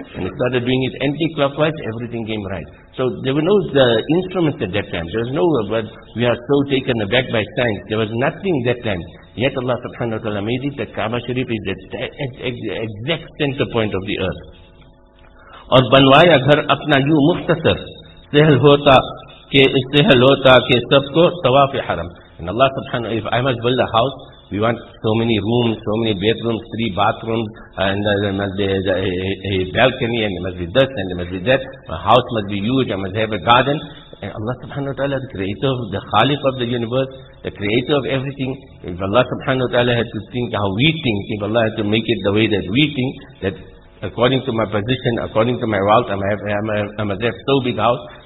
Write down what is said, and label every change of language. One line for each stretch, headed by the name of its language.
English: And they started doing it anti-clockwise, everything came right. So there were no instruments at that time. There was no, but we are so taken aback by science. There was nothing that time. Yet Allah subhanahu wa ta'ala made it that Kaaba Sharif is the exact center point of the earth.
Urdu: اور بنوایا گھر اپنا یوں مختصر سہل ہوتا کہ سب کو طواف حرم.
English: And Allah subhanahu wa ta'ala, if I must build a house, we want so many rooms, so many bedrooms, 3 bathrooms, and there must be a balcony, and there must be this, and there must be that. A house must be huge, I must have a garden. And Allah subhanahu wa ta'ala, the creator of the Khaliq of the universe, the creator of everything, if Allah subhanahu wa ta'ala had to think how we think, if Allah had to make it the way that we think, that according to my position, according to my wealth, I must have so big house.